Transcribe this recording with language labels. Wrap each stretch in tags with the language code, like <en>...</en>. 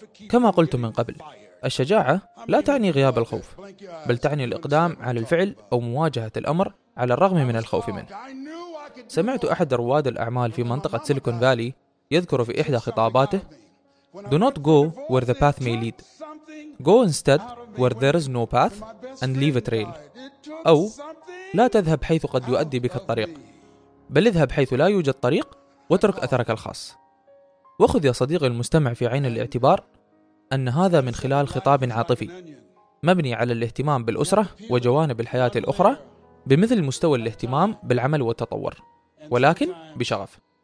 <ar>كما قلت من قبل، الشجاعة لا تعني غياب الخوف، بل تعني الإقدام على الفعل أو مواجهة الأمر على الرغم من الخوف منه. سمعت أحد رواد الأعمال في منطقة سيليكون فالي يذكر في إحدى خطاباته:</ar> <en>Do not go where the path may lead. Go instead where there is no path and leave a trail.</en> <ar>أو لا تذهب حيث قد يؤدي بك الطريق، بل اذهب حيث لا يوجد طريق واترك أثرك الخاص. وخذ يا صديقي المستمع في عين الاعتبار أن هذا من خلال خطاب عاطفي مبني على الاهتمام بالأسرة وجوانب الحياة الأخرى بمثل مستوى الاهتمام بالعمل والتطور، ولكن بشغف.</ar>